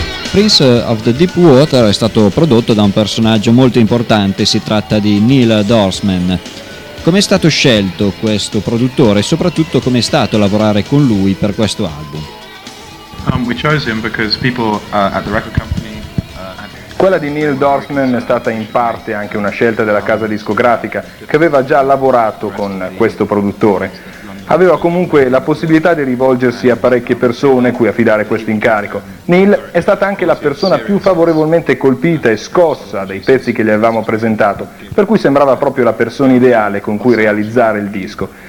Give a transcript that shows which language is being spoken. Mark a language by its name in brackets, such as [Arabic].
[Italian] Prince of the Deep Water è stato prodotto da un personaggio molto importante, si tratta di Neil Dorsman. Come è stato scelto questo produttore e soprattutto come è stato lavorare con lui per questo album? [English] We chose him because people at the record company. [Italian] Quella di Neil Dorsman è stata in parte anche una scelta della casa discografica, che aveva già lavorato con questo produttore. Aveva comunque la possibilità di rivolgersi a parecchie persone cui affidare questo incarico. Neil è stata anche la persona più favorevolmente colpita e scossa dei pezzi che gli avevamo presentato, per cui sembrava proprio la persona ideale con cui realizzare il disco.